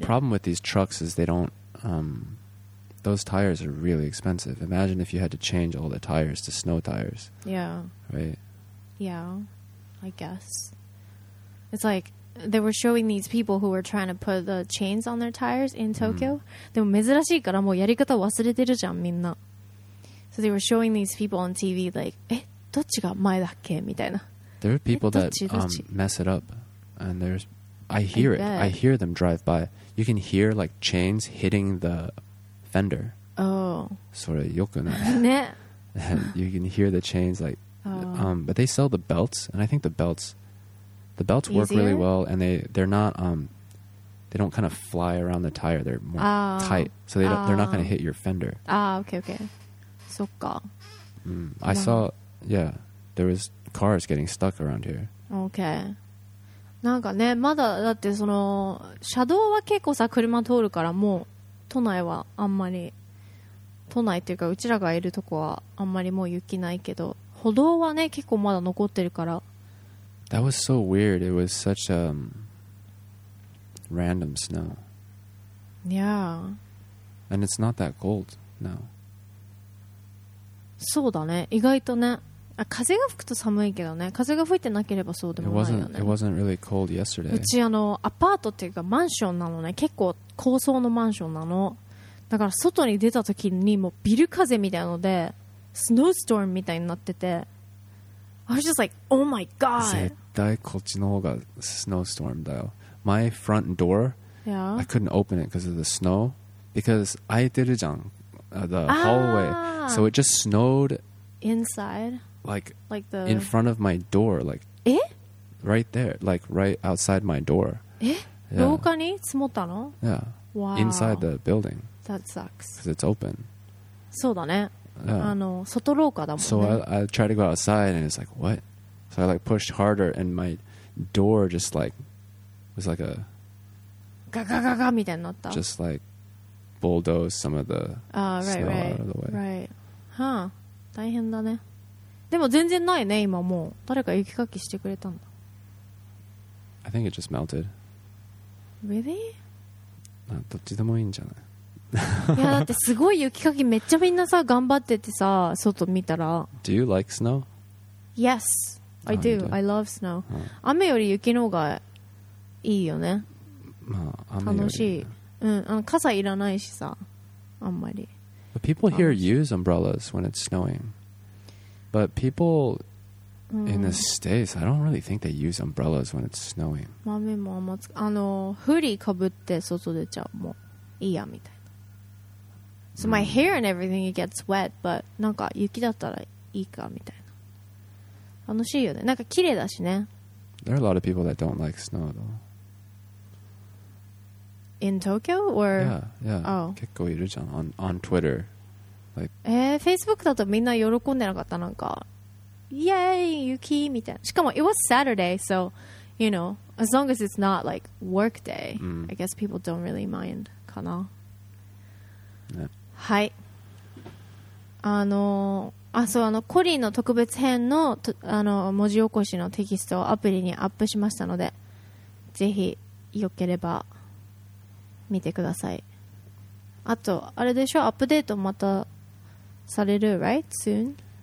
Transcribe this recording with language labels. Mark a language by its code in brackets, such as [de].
[en] The problem with these trucks is they don't... those tires are really expensive. Imagine if you had to change all the tires to snow tires. Yeah. Right? Yeah, I guess. It's like they were showing these people who were trying to put the chains on their tires in Tokyo. [ja] でも珍しいからもうやり方忘れてるじゃんみんな。 [en] So they were showing these people on TV like, [ja] どっちが前だっけみたいな。 [en] There are people that mess it up. And there's, I hear it. I hear them drive by. You can hear like chains hitting the fender. Oh. [ja] それよくない。ね。 [en] And you can hear the chains like, but they sell the belts. And I think the belts work really well. And they're not, they don't kind of fly around the tire. They're more tight. So they're not going to hit your fender. Ah, okay. [ja] そっか。 [en] I saw, there was cars getting stuck around here. Okay. [ja] なんかね、まだだってその車道は結構さ車通るからもう都内はあんまり都内っていうかうちらがいるとこはあんまりもう雪ないけど歩道はね結構まだ残ってるから。 [en] That was so weird. It was such a random snow. Yeah. And it's not that cold now. [ja] そうだね、意外とね。あ、風が吹くと寒いけどね。風が吹いてなければそうでもないよね。 [en] It wasn't really cold yesterday. [ja] うちあのアパートっていうかマンションなのね。結構高層のマンションなの。だから外に出た時にもうビル風みたいのでスノーストームみたいになってて、 [en] I was just like, oh my god! [ja] 絶対こっちの方がスノーストームだよ。 [en] My front door, yeah. I couldn't open it because of the snow. Because [ja] 空いてるじゃん、 [en] the hallway. So it just snowed inside. Like in front of my door, like right there, like right outside my door. Yeah. [ja] 廊下に積もったの? [en] Yeah. Wow. Inside the building. That sucks. Because it's open. [ja] そうだね。 [en] Yeah. [ja] あの、外廊下だもんね。 [en] So I try to go outside and it's like, what? So I like pushed harder and my door just like, was like a... [ja] ガガガガみたいになった。 [en] Just like bulldozed some of the snow out of the way. Right. Huh. [ja] 大変だね。でも全然ないね、今もう。誰か雪かきしてくれたんだ。 [en] I think it just melted. Really? [ja] どっちでもいいんじゃない。いや、だってすごい雪かきめっちゃみんなさ、頑張っててさ、外見たら。 [en] Do you like snow? Yes, I do. I love snow. [ja] 雨より雪の方がいいよね。まあ、雨より。楽しい。うん、傘いらないしさ、あんまり。 [en] But people here use umbrellas when it's snowing. But people in the States, I don't really think they use umbrellas when it's snowing. [ja] Mami もあんまつ、あの、フリーかぶって外出ちゃう。もういいやみたいな。 [en] So my hair and everything gets wet, but [ja] なんか雪だったらいいかみたいな。楽しいよね。なんか綺麗だしね。 [en] There are a lot of people that don't like snow, though. In Tokyo? Or... Yeah. Oh. [ja] 結構いるじゃん。 [en] On Twitter. [ja] えー、Facebook だとみんな喜んでなかった、なんか、イエーイ、雪みたいな。しかも、 [en] It was Saturday, so, you know, as long as it's not like work day,、I guess people don't really mind, [ja] かな。ね、はい。あ、そう、あの、コリーの特別編の、あの、文字起こしのテキストをアプリにアップしましたので、ぜひ、よければ、見てください。あと、あれでしょ、アップデートまた、される [en] right soon.